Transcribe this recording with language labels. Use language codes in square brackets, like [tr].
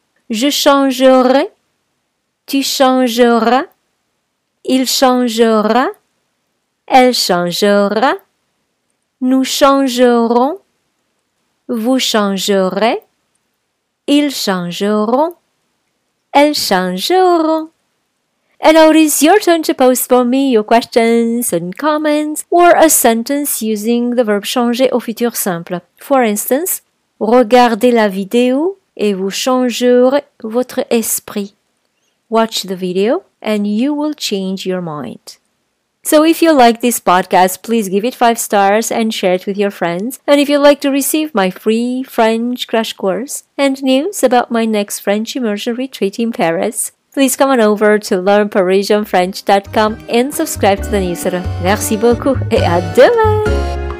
[fr] Je changerai, tu changeras, il changera, elle changera, nous changerons, vous changerez, ils changeront, elles changeront. [en] And now it is your turn to post for me your questions and comments or a sentence using the verb changer [fr] au futur simple. [en] For instance, [fr] regardez la vidéo et vous changerez votre esprit. [en] Watch the video and you will change your mind. So if you like this podcast, please give it 5 stars and share it with your friends. And if you'd like to receive my free French crash course and news about my next French immersion retreat in Paris, please come on over to learnparisianfrench.com and subscribe to the newsletter. [fr] Merci beaucoup et à demain!